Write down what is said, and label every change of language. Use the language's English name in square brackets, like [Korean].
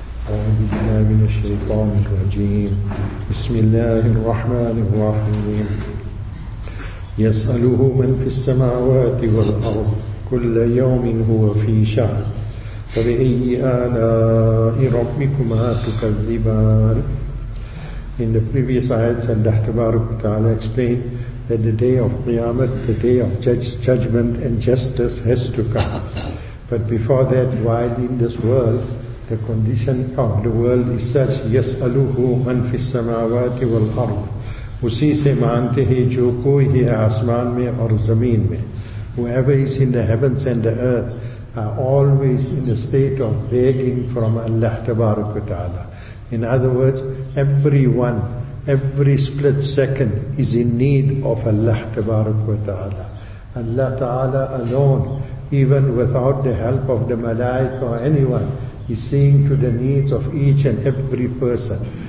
[Arabic] أعوذ بالله من الشيطان الرجيم. بسم الله الرحمن الرحيم. يسأله من في السماوات والأرض كل يوم هو في شأن فبأي آلاء ربكما تكذبان. [English] In the previous ayats, Allah Tabaraka Ta'ala explained that the day of Qiyamah, the day of judgment and justice, has to come. But before that, while in this world, the condition of the world is such, [Arabic] يَسْأَلُهُ مَنْ فِي السَّمَاوَاتِ وَالْأَرْضِ [Urdu] اُسِي سَي مَانْتِ هِي جُو كُوِي هِي آسْمَانْ مِنْ اَرْ زَمِينْ مِنْ. [English] Whoever is in the heavens and the earth are always in a state of begging from Allah Tabaraka Ta'ala. In other words, everyone, every split second is in need of Allah Tabaraka Ta'ala. Allah Ta'ala alone, even without the help of the malaika or anyone, is seeing to the needs of each and every person.